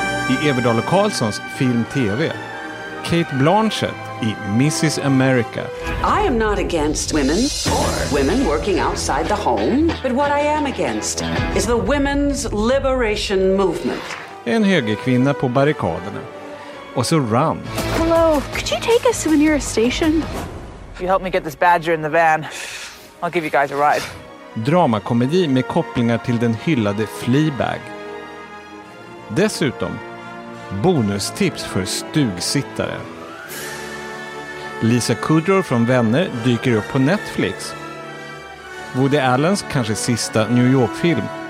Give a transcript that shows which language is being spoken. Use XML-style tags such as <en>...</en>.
<sv>i Everdahl och Karlssons film-tv. Kate Blanchett i Mrs. America.</sv> <en>I am not against women or women working outside the home. But what I am against is the women's liberation movement.</en> <sv>En högerkvinna på barrikaderna. Och så Run.</sv> <en>Hello, could you take us to the nearest station? If you help me get this badger in the van, I'll give you guys a ride.</en> <sv>Dramakomedi med kopplingar till den hyllade Fleabag. Dessutom bonustips för stugsittare. Lisa Kudrow från Vänner dyker upp på Netflix. Woody Allens kanske sista New York-film.</sv>